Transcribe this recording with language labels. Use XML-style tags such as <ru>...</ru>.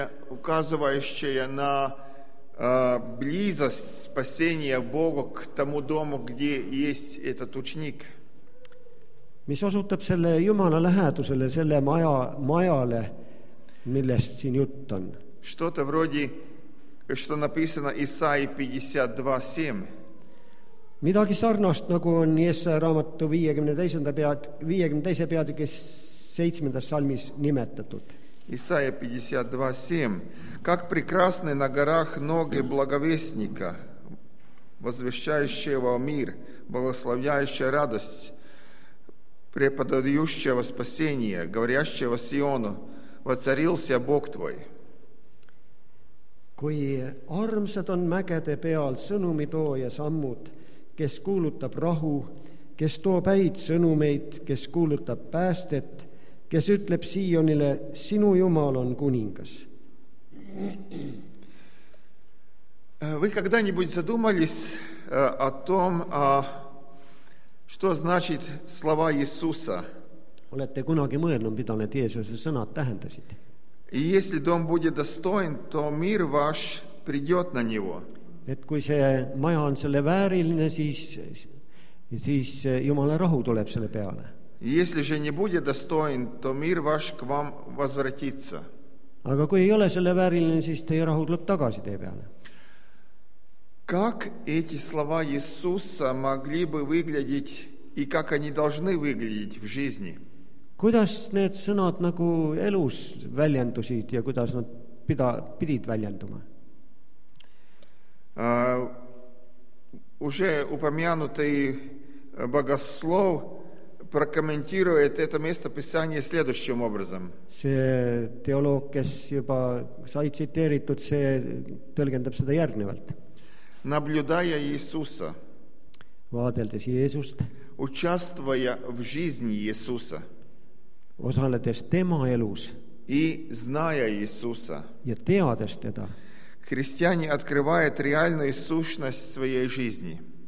<ru>Указывающее на близость спасения Бога к тому дому, где есть этот ученик.</ru> <et>Mis osutab selle Jumala lähedusele, selle majale, millest siin jutt on?</et> <ru>Что-то вроде, что написано Исаии 52:7.</ru> <et>Midagi sarnast, nagu on Jesaja raamatu 52. peatükis 7. salmis nimetatud.</et> <ru>Исаия 52:7. Как прекрасны на горах ноги благовестника, возвещающего мир, благословляющего радость, преподающего спасение, говорящего Сиону, воцарился Бог твой.</ru> <et>Kui armsed on mägede peal sõnumi tooja sammud, kes kuulutab rahu, kes toob häid sõnumeid, kes kuulutab päästet, kes ütleb Siionile, sinu Jumal on kuningas.</et> <ru>Вы когда-нибудь задумались о том, что значит слова Иисуса?</ru> <et>Olete kunagi mõelnud, mida need Jeesuse sõnad tähendasid?</et> <ru>И если дом будет достоин, то мир ваш придет на него.</ru> <et>Et kui see maja on selle vääriline, siis Jumala rahu tuleb selle peale.</et> <ru>Если же не будет достоин, то мир ваш к вам возвратится.</ru> <et>Aga kui ei ole selle vääriline, siis teie rahu tuleb tagasi teie peale.</et> <ru>Как эти слова Иисуса могли бы выглядеть и как они должны выглядеть в жизни?</ru> <et>Kuidas need sõnad nagu elus väljendusid ja kuidas nad pidid väljenduma?</et> <ru>Уже упомянутый богослов прокомментирует это место писания следующим образом.</ru> <et>See teoloog, kes juba sai tsiteeritud, see tõlgendab seda järgnevalt.</et> <ru>Наблюдая Иисуса,</ru> <et>vaadeldes Jeesust,</et> <ru>участвуя в жизни Иисуса,</ru> <et>osaledes tema elus,</et> <ru>и зная Иисуса,</ru> <et>ja teades teda,</et> <ru>христиане открывают реальную сущность своей жизни.</ru>